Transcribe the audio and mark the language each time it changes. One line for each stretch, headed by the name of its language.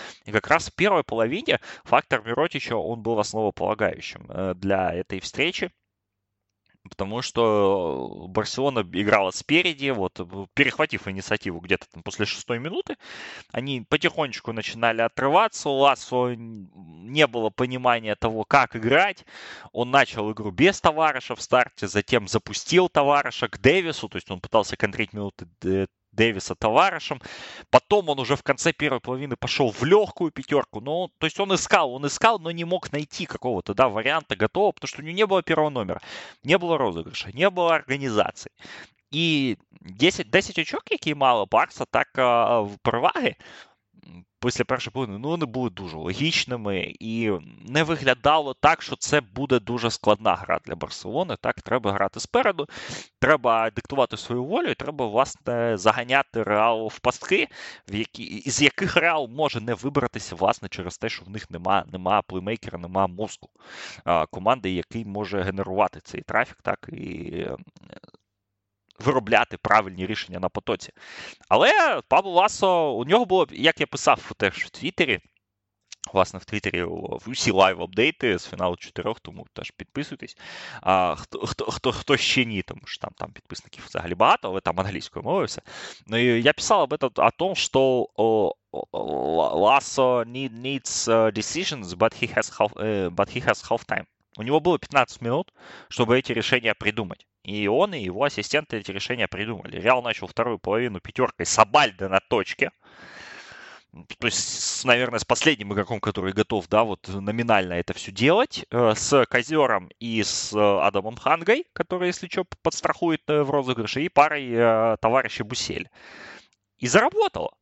Russian: И как раз в первой половине фактор Миротича, он был основополагающим для этой встречи, потому что Барселона играла спереди, вот, перехватив инициативу где-то там после 6-й минуты, они потихонечку начинали отрываться, у Ласо не было понимания того, как играть, он начал игру без Товарыша в старте, затем запустил Товарыша к Дэвису, то есть он пытался контрить минуты Дэвиса Товарышем. Потом он уже в конце первой половины пошел в легкую пятерку. Ну, то есть он искал, но не мог найти какого-то, да, варианта готового, потому что у него не было первого номера, не было розыгрыша, не было организации.
Ukrainian: И 10 очок, какие мало Барса, так в переваге после першої половини, ну, вони були дуже логічними, і не виглядало так, що це буде дуже складна гра для Барселони. Так, треба грати спереду, треба диктувати свою волю, і треба, власне, заганяти Реал в пастки, з яких Реал може не вибратися, власне, через те, що в них нема плеймейкера, нема мозку команди, який може генерувати цей трафік, так, і виробляти правильні рішення на потоці. Але Пабло Ласо, у нього було, як я писав теж в Твіттері, власне, в Твіттері усі лайв-апдейти з фіналу чотирьох, тому теж підписуйтесь. А хто ще ні, тому що там підписників взагалі багато, але там англійською мовився. Ну, і я писав
Russian: об этом, о том,
Ukrainian: що Ласо
English: needs decisions, but he has half-time.
Russian: У него было 15 минут, чтобы эти решения придумать. И он, и его ассистенты эти решения придумали. Реал начал вторую половину пятеркой с Абальдо на точке. То есть, наверное, с последним игроком, который готов, да, вот номинально это все делать. С Козером и с Адамом Хангой, который, если что, подстрахует в розыгрыше. И парой товарищей Бусель.
Ukrainian: І заработало.